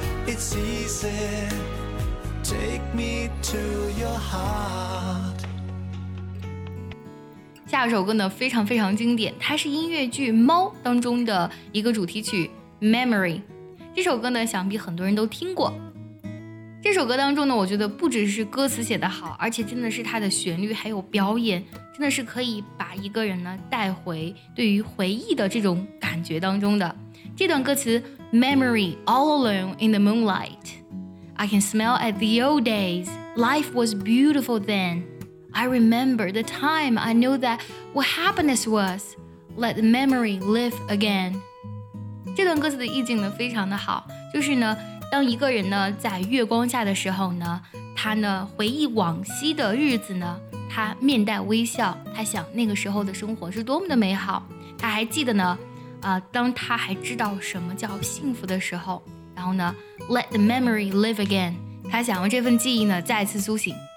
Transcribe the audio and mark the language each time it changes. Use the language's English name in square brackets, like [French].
[English] It's easy, take me to your heart. [Chinese] 下首歌呢非常非常经典，它是音乐剧《猫》当中的一个主题曲 Memory。这首歌呢想必很多人都听过。这首歌当中呢，我觉得不只是歌词写得好，而且真的是它的旋律还有表演，真的是可以把一个人呢带回对于回忆的这种感觉当中的。这段歌词 [English] Memory all alone in the moonlight, I can smell at the old days, life was beautiful then, I remember the time I knew that what happiness was, let the memory live again。 [Chinese] 这段歌词的意境呢非常的好，就是呢当一个人呢在月光下的时候呢，他呢回忆往昔的日子呢，他面带微笑，他想那个时候的生活是多么的美好，他还记得呢当他还知道什么叫幸福的时候，然后呢 [English] Let the memory live again， [Chinese] 他想要这份记忆呢再次苏醒。